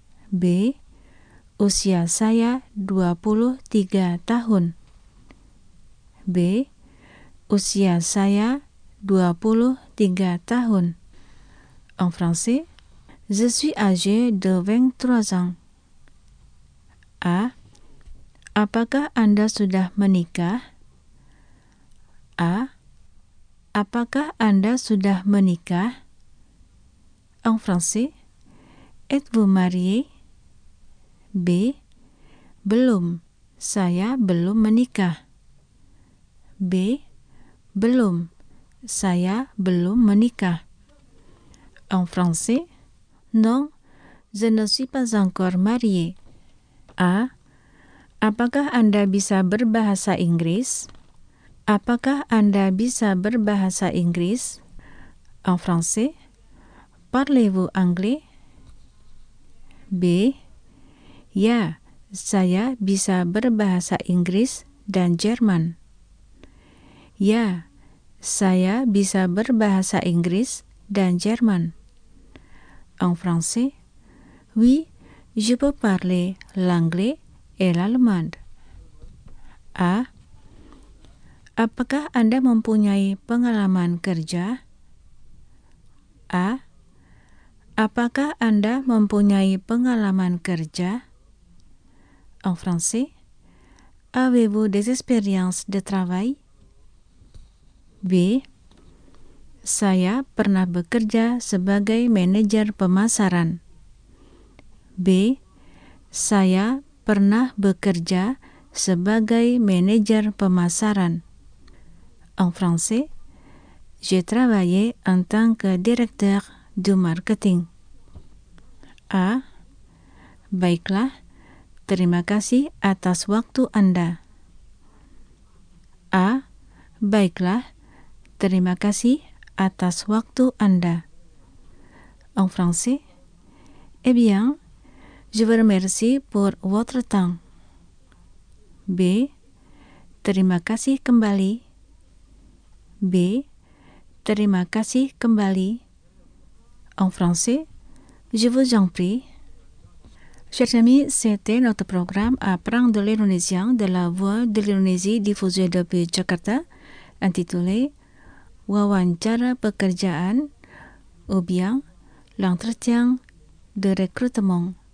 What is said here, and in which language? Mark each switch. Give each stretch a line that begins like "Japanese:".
Indonesian: B. Usia saya 23 tahun. B. Usia saya 23 tahun.
French: En français, je suis âgé de 23 ans. A.
Indonesian: Apakah Anda sudah menikah? A. Apakah Anda sudah menikah?
French: En français, êtes-vous marié?
Indonesian: B. Belum, saya belum menikah. B. Belum, saya belum menikah.
French: En français, non, je ne suis pas encore marié. A.
Indonesian: Apakah Anda bisa berbahasa Inggris? Apakah Anda bisa berbahasa Inggris?
French: En français, parlez-vous anglais? B.
Indonesian: Ya, saya bisa berbahasa Inggris dan Jerman. Ya, saya bisa berbahasa Inggris dan Jerman.
French: En français, oui, je peux parler l'anglais et l'allemand. A.
Indonesian: Apakah Anda mempunyai pengalaman kerja? A. Apakah Anda mempunyai pengalaman kerja?
French: En français, avez-vous des expériences de travail? B.
Indonesian: Saya pernah bekerja sebagai manajer pemasaran. B. Saya pernah bekerja sebagai manajer pemasaran.
French: En français, j'ai travaillé en tant que directeur du marketing. A.
Indonesian: Baiklah, terima kasih atas waktu Anda. A. Baiklah, terima kasih atas waktu Anda.
French: En français, eh bien, je vous remercie pour votre temps.
Indonesian: B. Terima kasih kembali. B. Terima kasih kembali.
French: En français, je vous en prie. Chers amis, c'était notre programme Apprendre l'indonésien de la voix de l'Indonésie diffusée depuis Jakarta, intitulé Wawancara pekerjaan ou bien l'entretien de recrutement.